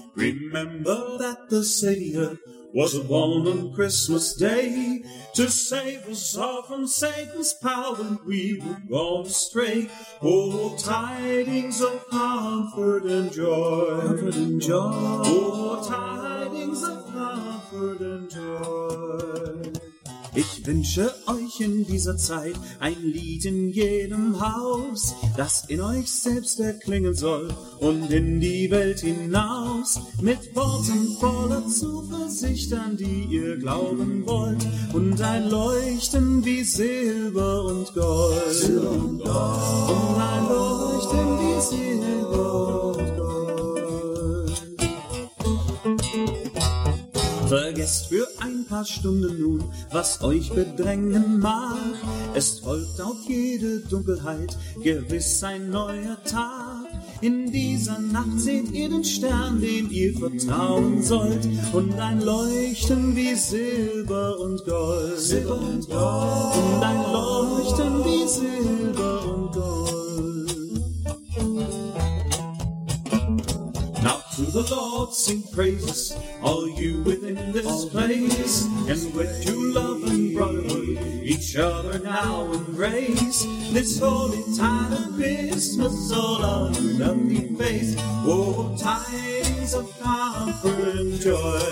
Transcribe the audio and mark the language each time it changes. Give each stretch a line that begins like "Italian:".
English: Remember that the Savior was born on Christmas Day. To save us all from Satan's power when we were gone astray. Oh, tidings of comfort and joy. Comfort and joy. Oh, tidings of comfort and joy.
German: Ich wünsche euch in dieser Zeit ein Lied in jedem Haus, das in euch selbst erklingen soll und in die Welt hinaus. Mit Worten voller Zuversicht, an die ihr glauben wollt, und ein Leuchten wie Silber und Gold. Silber und Gold. Und ein Leuchten wie Silber und Gold. Vergesst für ein paar Stunden nun, was euch bedrängen mag. Es folgt auf jede Dunkelheit gewiss ein neuer Tag. In dieser Nacht seht ihr den Stern, dem ihr vertrauen sollt, und ein Leuchten wie Silber und Gold. Silber und Gold. Und ein Leuchten wie Silber und Gold.
English: Now to the Lord sing praises, all you within this place, and with due love and brotherhood, each other now embrace. This holy time of Christmas, all our lovely face. Oh, tidings of comfort and joy.